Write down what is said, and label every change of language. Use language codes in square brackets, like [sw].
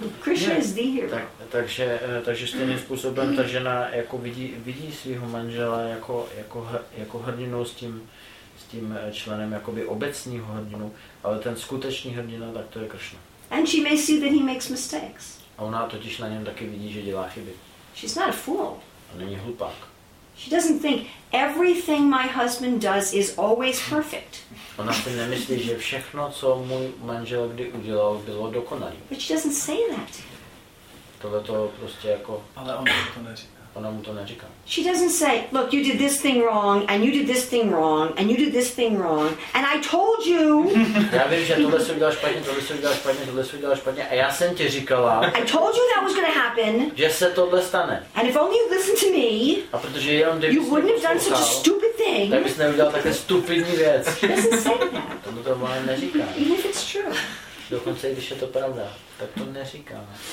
[en] Krishna is the hero. [cs] Takže stejným způsobem ta žena jako vidí svého manžela jako hrdinu s tím členem jakoby obecního hrdinu, ale ten skutečný hrdina, tak to je Krishna. [en] And she may see that he makes mistakes. [cs] A ona totiž na něm taky vidí, že dělá chyby. [en] She's not a fool. [cs] A není hlupák. [en] She doesn't think everything my husband does is always perfect. [cs] Ona si nemyslí, že všechno, co můj manžel kdy udělal, bylo dokonalý. [en] But she doesn't say that. [cs] Tohle to prostě jako. Ale ona mu to neříká. Ona mu to neříká. [en] She doesn't say, look, you did this thing wrong, and you did this thing wrong, and you did this thing wrong, and I told you. [cs] Já vím, že tohle se udělal špatně, tohle se udělal špatně, tohle se udělal špatně, a já jsem ti říkala. [en] I told you that was going to happen. [cs] Že se tohle stane. [en] And if only you listened to me. [cs] A protože jenom kdybys [en] you wouldn't have done such a stupid thing. [cs] Tak bys neudělal takhle stupidní věc. [en] She doesn't say that. [cs] Tohle to ona neříká. [en] Even if it's true. [cs] Dokonce, když je to pravda, tak to neříká.